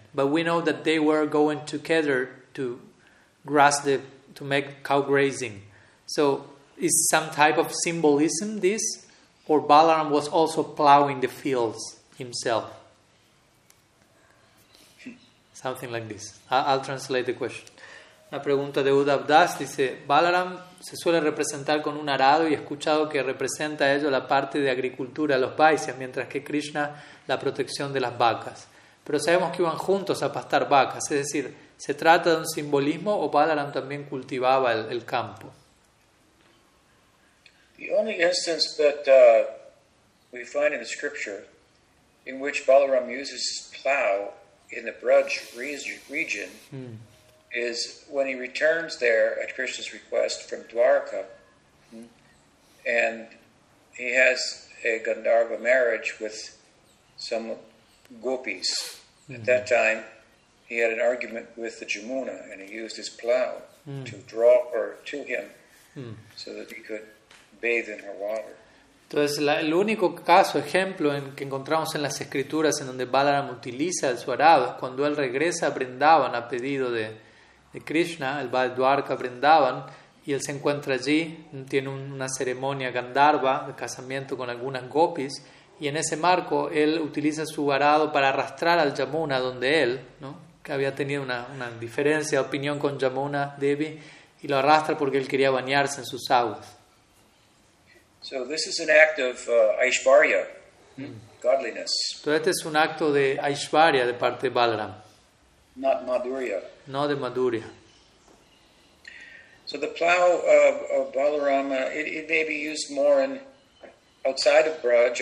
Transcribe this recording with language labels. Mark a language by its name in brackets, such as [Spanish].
[English] But we know that they were going together to grass to make cow grazing. So is some type of symbolism this, or Balaram was also plowing the fields himself? Something like this. I'll translate the question. [Spanish] La pregunta de Uddhav Das dice, Balaram se suele representar con un arado y he escuchado que representa ello la parte de agricultura de los Vaisyas, mientras que Krishna la protección de las vacas. Pero sabemos que iban juntos a pastar vacas. Es decir, ¿se trata de un simbolismo o Balaram también cultivaba el campo? [English] The only instance that we find in the scripture in which Balaram uses his plow in the Braj region is when he returns there at Krishna's request from Dwarka, and he has a Gandharva marriage with some gopis. Mm. At that time, he had an argument with the Jamuna, and he used his plow to draw her to him so that he could bathe in her water. [Spanish] Entonces, el único caso, ejemplo en que encontramos en las escrituras en donde Balaram utiliza su arado es cuando él regresa a Vrindavan a pedido de Krishna, él va a Dwarka a Vrindavan y él se encuentra allí, tiene una ceremonia gandharva de casamiento con algunas gopis y en ese marco él utiliza su arado para arrastrar al Yamuna donde él, ¿no?, que había tenido una diferencia de opinión con Yamuna Devi y lo arrastra porque él quería bañarse en sus aguas. [English] So this is an act of Aishvarya, godliness. [Spanish] Entonces este es un acto de Aishvarya de parte de Balaram. [English] Not Madhurya. [Spanish] No de Madhurya. [English] So the plow of Balaram, it may be used more in outside of Braj.